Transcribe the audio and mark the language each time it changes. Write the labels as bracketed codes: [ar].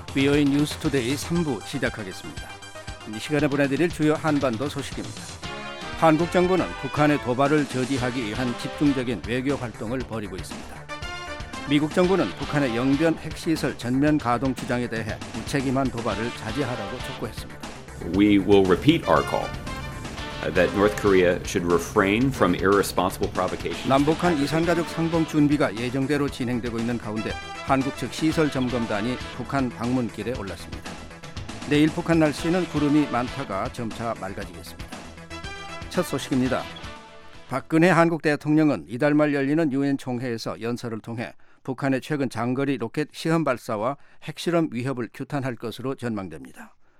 [ko] VOA 뉴스 투데이 3부 시작하겠습니다. 이 시간에 보내드릴 주요 한반도 소식입니다. 한국 정부는 북한의 도발을 저지하기 위한 집중적인 외교 활동을 벌이고 있습니다. 미국 정부는 북한의 영변 핵시설 전면 가동 주장에 대해 무책임한 도발을 자제하라고 촉구했습니다. [en] We will repeat our call that North Korea should refrain from irresponsible provocation. [ko] 남북한 이산가족 상봉 준비가 예정대로 진행되고 있는 가운데 한국 측 시설 점검단이 북한 방문길에 올랐습니다. 내일 북한 날씨는 구름이 많다가 점차 맑아지겠습니다. 첫 소식입니다. 박근혜 한국 대통령은 이달 말 열리는 유엔 총회에서 연설을 통해 북한의 최근 장거리 로켓 시험 발사와 핵실험 위협을 규탄할 것으로 전망됩니다.